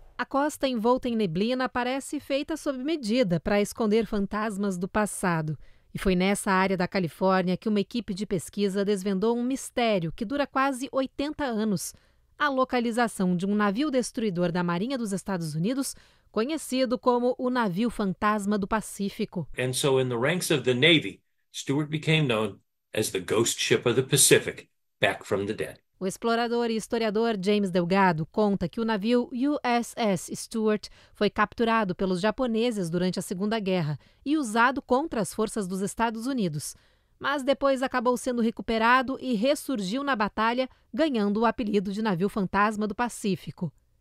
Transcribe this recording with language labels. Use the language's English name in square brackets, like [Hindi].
[Portuguese] A costa envolta em neblina parece feita sob medida para esconder fantasmas do passado. E foi nessa área da Califórnia que uma equipe de pesquisa desvendou um mistério que dura quase 80 anos. A localização de um navio destruidor da Marinha dos Estados Unidos, conhecido como o navio fantasma do Pacífico. [English] And so in the ranks of the Navy, Stewart became known as the ghost ship of the Pacific, back from the dead. [Portuguese] O explorador e historiador James Delgado conta que o navio USS Stuart foi capturado pelos japoneses durante a Segunda Guerra e usado contra as forças dos Estados Unidos, mas depois acabou sendo recuperado e ressurgiu na batalha, ganhando o apelido de navio fantasma do Pacífico.